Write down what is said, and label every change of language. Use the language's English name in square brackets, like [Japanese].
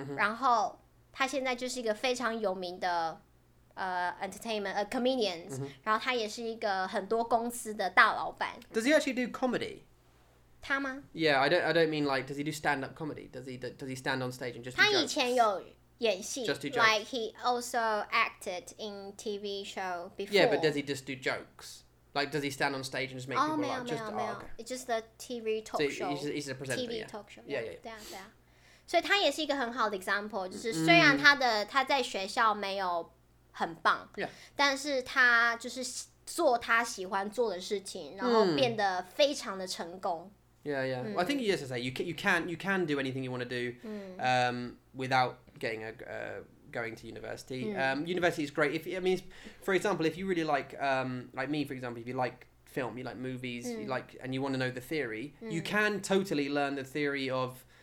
[Chinese] 然后他现在就是一个非常有名的。 [English] Entertainment, comedians. [Chinese] 然后他也是一个很多公司的大老板。 [English] Does he actually do comedy? [Chinese] 他吗？ [English] Yeah, I don't mean like, does he do stand-up comedy? Does he stand on stage and just do jokes? [Chinese] 他以前有演戏。 [English] Just do jokes. Like, he also acted in TV show before. Yeah, but does he just do jokes? Like, does he stand on stage and just make people laugh? [Chinese] 没有，没有，没有。 It's just a TV talk show. [English] So he's a presenter, TV [Chinese] talk show. Yeah. 所以他也是一个很好的 example, 就是虽然他在学校没有很棒， [English] yeah. [Chinese] 但是他就是做他喜欢做的事情，然后变得非常的成功。 [English] Yeah, yeah.、Well, I think yes, I say you can do anything you want to do, without getting a going to university. University is great. For example, if you really like me, for example, if you like film, you like movies, you like, and you want to know the theory, you can totally learn the theory of.